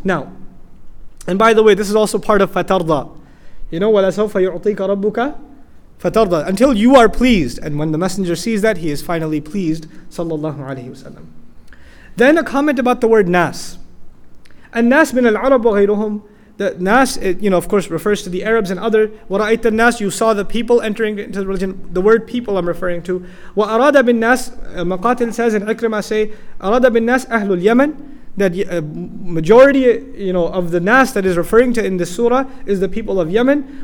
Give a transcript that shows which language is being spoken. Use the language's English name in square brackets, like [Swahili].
[English] Now, and by the way, this is also part of فَتَرْضَى. You know, [Arabic] وَلَسَوْفَ يُعْطِيكَ رَبُّكَ فَتَرْضَى. [English] Until you are pleased. And when the Messenger sees that, he is finally pleased sallallahu alayhi wa sallam. Then a comment about the word ناس. [Arabic] الناس من العرب وغيرهم. [English] The nas, you know, of course, refers to the Arabs and other. [Arabic] وَرَأَيْتَ النَّاسِ, [English] you saw the people entering into the religion. The word people I'm referring to. [Arabic] وَأَرَادَ بِالنَّاسِ, [English] Maqatil says, and Ikrimah say, [Arabic] أَرَادَ بِالنَّاسِ أَهْلُ الْيَمَنِ, [English] that majority, you know, of the nas that is referring to in this surah is the people of Yemen.